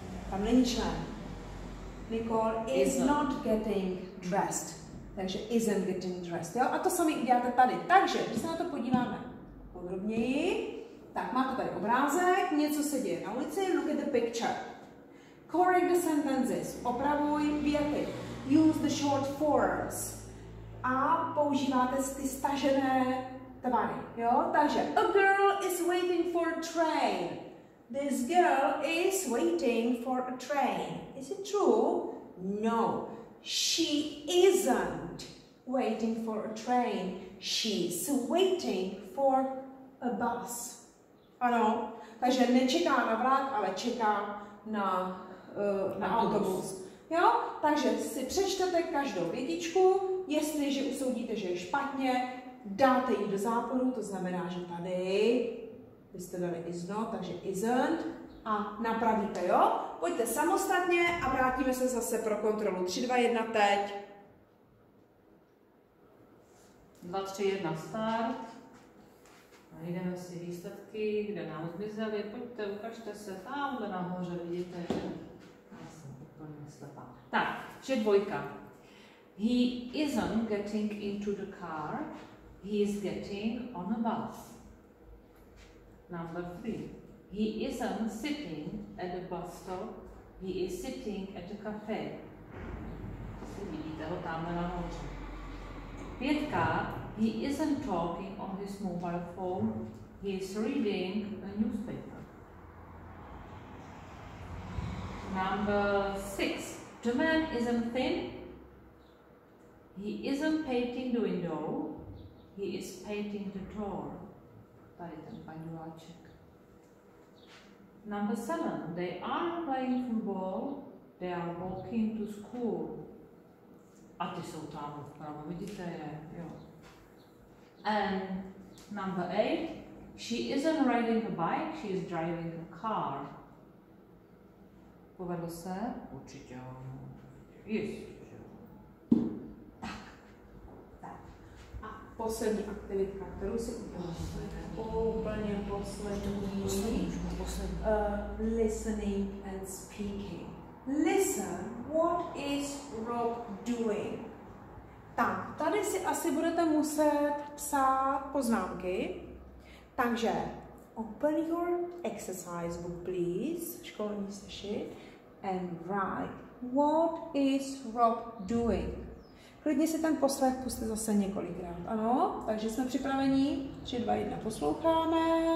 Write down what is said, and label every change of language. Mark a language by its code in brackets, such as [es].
[cs] Tam není člen. [en] Nicole is not getting dressed. Takže isn't getting dressed. [cs] Jo? A to sami uděláte tady. Takže, když se na to podíváme podrobněji, tak máte tady obrázek, něco se děje na ulici, [en] look at the picture. Correct the sentences, [cs] opravuj věty, [en] use the short forms [cs] a používáte ty stažené tvary, jo? [en] Takže, a girl is waiting for a train. This girl is waiting for a train. Is it true? No. She isn't waiting for a train. She's waiting for a bus. [cs] Ano, takže nečeká na vlak, ale čeká na autobus. Jo? Takže si přečtete každou větičku, jestliže usoudíte, že je špatně, dáte ji do záporu, to znamená, že tady byste dali is not, takže isn't a napravíte, jo? Pojďte samostatně a vrátíme se zase pro kontrolu. 3, 2, 1, teď. 2, 3, 1, start. Najdeme si výsledky, kde nám zmizely. Pojďte, ukažte se tam, kde nahoře vidíte. Já jsem úplně slepá. Tak, že dvojka. [en] He isn't getting into the car. He is getting on a bus. Number 3. He isn't sitting at the bus stop, he is sitting at the cafe. [cs] Si vidíte ho tamhle nahoře. [en] Pětka, he isn't talking on his mobile phone, he is reading a newspaper. Number 6, the man isn't thin, he isn't painting the window, he is painting the door. [cs] Tady ten panduláček. [en] Number 7. They are playing football. They are walking to school. [cs] A ty jsou tam vpravo, vidíte je, jo. [en] And number 8. She isn't riding a bike, she is driving a car. [cs] Povedlo se? Určitě ano. [en] Yes. [cs] Tak. A poslední aktivitka, kterou si úplně poslední, [en] listening and speaking. Listen, what is Rob doing? [cs] Tak, tady si asi budete muset psát poznámky. [en] Takže, open your exercise book, please, [cs] školní sešit, [en] and write, what is Rob doing? [cs] Klidně si ten poslech puste zase několikrát, ano? Takže jsme připraveni, 3, 2, 1, posloucháme.